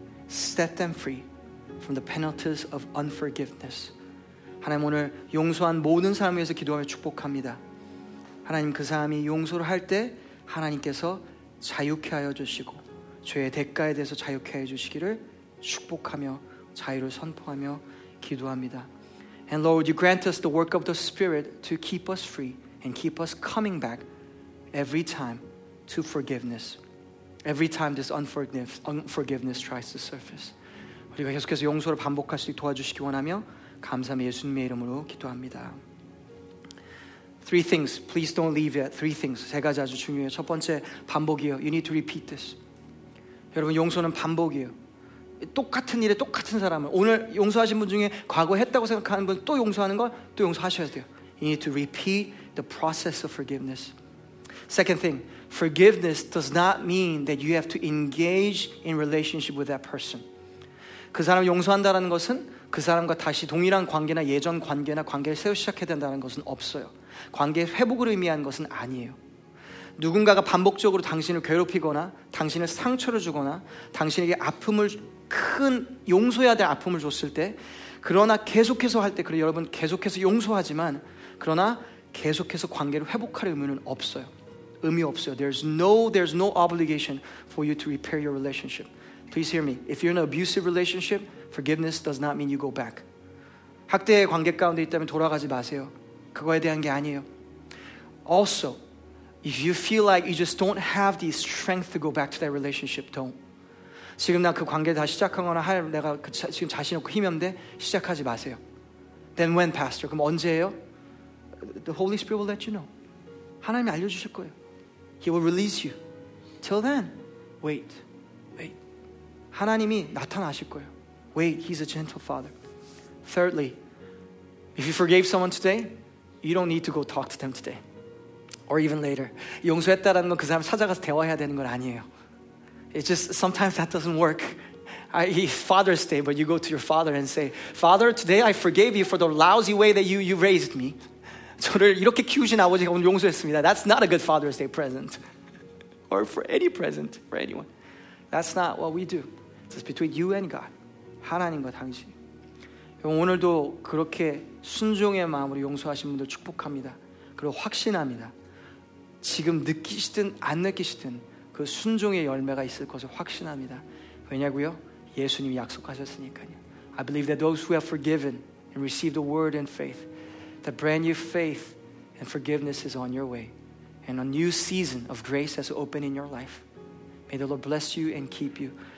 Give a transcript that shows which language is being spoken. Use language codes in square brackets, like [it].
[en] Set them free from the penalties of unforgiveness. [ko] 하나님 오늘 용서한 모든 사람을 위해서 기도하며 축복합니다. 하나님 그 사람이 용서를 할 때 하나님께서 자유케 하여 주시고 죄의 대가에 대해서 자유케 해주시기를 축복하며 자유를 선포하며 기도합니다. [en] And Lord, you grant us the work of the Spirit to keep us free and keep us coming back every time to forgiveness. Every time this unforgiveness tries to surface. [ko] 우리가 계속해서 용서를 반복할 수 있도록 도와주시기 원하며 감사함의 예수님의 이름으로 기도합니다. [en] Three things, please don't leave yet. Three things, [ko] 세 가지 아주 중요해요. 첫 번째, 반복이요. [en] You need to repeat this. [ko] 여러분 용서는 반복이에요. 똑같은 일에 똑같은 사람을 오늘 용서하신 분 중에 과거 했다고 생각하는 분 또 용서하는 거 또 용서하셔야 돼요. [en] You need to repeat the process of forgiveness. Second thing, forgiveness does not mean that you have to engage in relationship with that person. [ko] 그 사람 용서한다는 것은 그 사람과 다시 동일한 관계나 예전 관계나 관계를 새로 시작해야 된다는 것은 없어요. 관계 회복을 의미하는 것은 아니에요. 누군가가 반복적으로 당신을 괴롭히거나 당신을 상처를 주거나 당신에게 아픔을 큰 용서해야 될 아픔을 줬을 때 그러나 계속해서 할 때 그래 여러분 계속해서 용서하지만 그러나 계속해서 관계를 회복할 의무는 없어요. 의미 없어요. [en] There's no obligation for you to repair your relationship. Please hear me. If you're in an abusive relationship, forgiveness does not mean you go back. [ko] 학대의 관계 가운데 있다면 돌아가지 마세요. 그거에 대한 게 아니에요. [en] Also, if you feel like you just don't have the strength to go back to that relationship, don't. [ko] 지금 나 그 관계 다 시작하거나 할 내가 그 지금 자신 없고 힘이 없는데 시작하지 마세요. [en] Then when, Pastor? [ko] 그럼 언제예요? [en] The Holy Spirit will let you know. [ko] 하나님이 알려주실 거예요. [en] He will release you. Till then, wait. Wait. [ko] 하나님이 나타나실 거예요. [en] Wait, He's a gentle Father. Thirdly, if you forgave someone today, you don't need to go talk to them today. Or even later. [ko] 용서했다라는 건 그 사람 찾아가서 대화해야 되는 건 아니에요. [en] It's just sometimes that doesn't work. It's Father's Day, but you go to your father and say, Father, today I forgave you for the lousy way that you raised me. [ko] 저를 이렇게 키우신 아버지가 오늘 용서했습니다. [en] That's not a good Father's Day present. Or for any present, for anyone. That's not what we do. It's just between you and God. [ko] 하나님과 당신. 오늘도 그렇게 순종의 마음으로 용서하신 분들 축복합니다. 그리고 확신합니다. 지금 느끼시든 안 느끼시든 그 순종의 열매가 있을 것을 확신합니다. 왜냐고요? 예수님이 약속하셨으니까요. [en] I believe that those who have forgiven and received the word and faith, the brand new faith and forgiveness is on your way. And a new season of grace has opened in your life. May the Lord bless you and keep you.